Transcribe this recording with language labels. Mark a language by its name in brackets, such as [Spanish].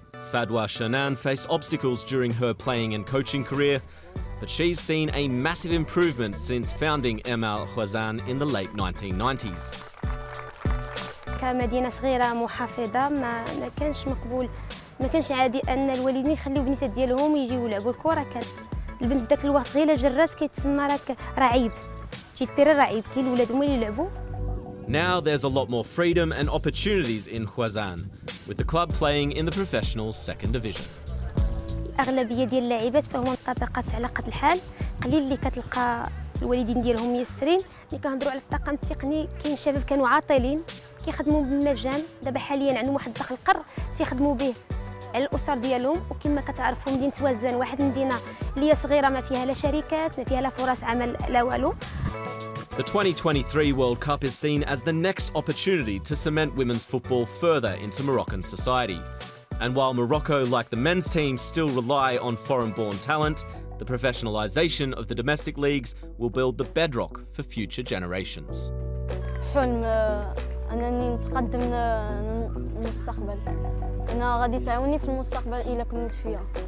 [English] Fadwa Shanan faced obstacles during her playing and coaching career, but she's seen a massive improvement since founding ML Khwezan in the late 1990s. [Arabic] كمدينة صغيرة محافظة ما كانش مقبول ما كانش عادي ان الوالدين يخليو بنيتات ديالهم يجيو يلعبوا الكره كان البنت في ذاك الوقت غير جراس كيتسمى راك رعيب جيتي رعيب كاين الاولاد هما اللي يلعبوا. [English] Now there's a lot more freedom and opportunities in Khwezan, with the club playing in the professional second division. [Arabic] أغلبية ديال اللاعبات فهم طبقات على قد الحال، قليل اللي كتلقى الوالدين ديالهم يسرين، ملي كنهضروا على الطاقم التقني كاين شباب كانوا عاطلين، كيخدموا بالمجان، دابا حاليا عندهم واحد الدخل قر تيخدموا به على الأسر ديالهم، وكما كتعرفوا مدينة وزان واحد المدينة اللي هي صغيرة ما فيها لا شركات، ما فيها لا فرص عمل لا والو. [English] The 2023 World Cup is seen as the next opportunity to cement women's football further into Moroccan society. And while Morocco, like the men's team, still rely on foreign-born talent, the professionalisation of the domestic leagues will build the bedrock for future generations. [Arabic] حلم أنني نتقدم للمستقبل. أنا غادي تعاوني في المستقبل إلى كملت فيها.